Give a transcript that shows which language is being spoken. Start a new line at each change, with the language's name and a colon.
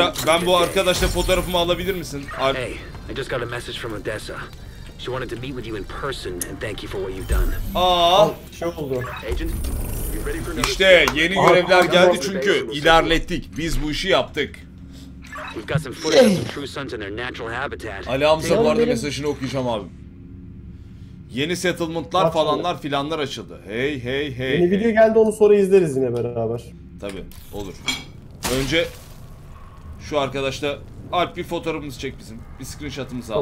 Turkish: Ben bu arkadaşla fotoğrafımı alabilir misin?
English: Hey, I just got a message from Odessa. She wanted to meet with you in person and thank you for what you've done. Aa,
Turkish: şey oldu. Agent,
English: you ready for?
Turkish: İşte yeni görevler geldi çünkü ilerlettik. Biz bu işi yaptık.
English: We've got some footage of True Sons in their natural habitat.
Turkish: Ali Hamza, bu arada mesajını okuyacağım abi. Yeni settlement'lar falanlar filanlar açıldı.
English: Hey hey hey.
Turkish: Yeni video geldi, onu sonra izleriz yine beraber. Tabii, olur. Önce şu arkadaşla Alp bir fotoğrafımızı çek bizim. Bir screenshot'ımızı al.